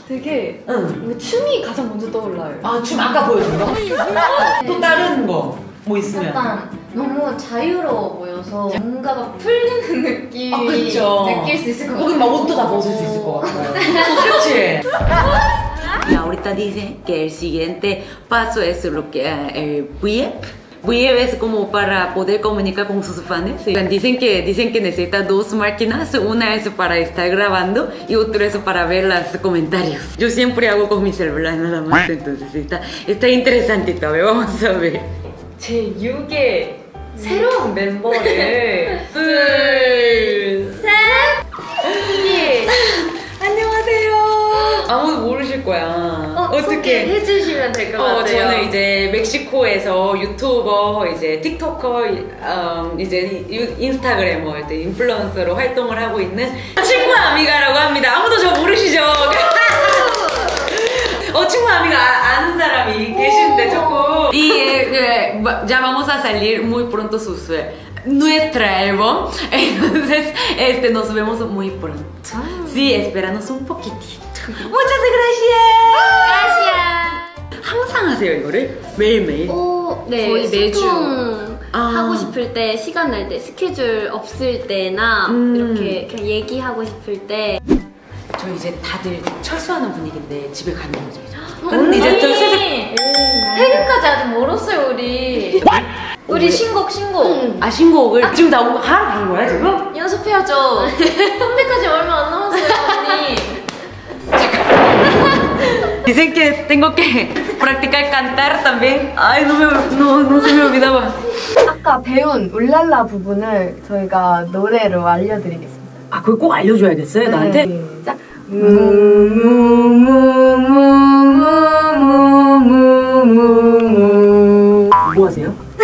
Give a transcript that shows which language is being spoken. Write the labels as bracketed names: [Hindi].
[Korean] 되게 왜 춤이 가장 먼저 떠올라요. 아, 춤 아까 보여준 거? 또 다른 거. 뭐 있으면 약간 너무 자유로워 보여서 뭔가가 풀리는 느낌이 아, 그렇죠. 느낄 수 있을 것 같아요. 거기 막 옷도 다 벗을 수 있을 것 같아요. 그렇지? [Spanish] ahorita dice que el siguiente paso es lo que el VIP. VIP es como para poder comunicar con sus fans. Dicen que necesita dos máquinas. Una es para estar grabando y otra es para ver los comentarios. Yo siempre hago con mi celular nada más. Entonces está interesante todavía. Vamos a ver. [Korean] 제 6의 새로운 멤버를 둘셋 안녕하세요. 아무도 모르실 거야. 어떻게 해주시면 될 것 같아요. 저는 이제 멕시코에서 유튜버 이제 틱톡커 이제 인스타그래머 이제 인플루언서로 활동을 하고 있는 친구 아미가라고 합니다. 아무도 저 모르시죠? 친구 아미가 아는 사람이 계신데 조금 [Spanish] 이 ya vamos a salir muy pronto sus nuestra álbum entonces nos vemos muy pronto sí espéranos un poquitito muchas gracias gracias [Korean] 항상 하세요 이거를 매일 매일 네 거의 매주 하고 싶을 때 시간 날 때 스케줄 없을 때나 이렇게 그냥 얘기하고 싶을 때 저 이제 다들 철수하는 분위기인데 집에 가는 거죠. 언니 이제 저 퇴근까지 아직 멀었어요 우리. 우리 신곡. 아 신곡을 아, 지금 다 하러 간 거야 지금? 연습해야죠. 컴백까지 얼마 안 남았어요 언니. 잠깐. [Spanish] Dicen que tengo que practicar cantar también. Ay, no se me olvidaba. [Korean] 아까 배운 울랄라 부분을 저희가 노래로 알려드리겠습니다. 아 그걸 꼭 알려줘야겠어요 네. 나한테? 자. 무무무무무무무무무 뭐 하세요?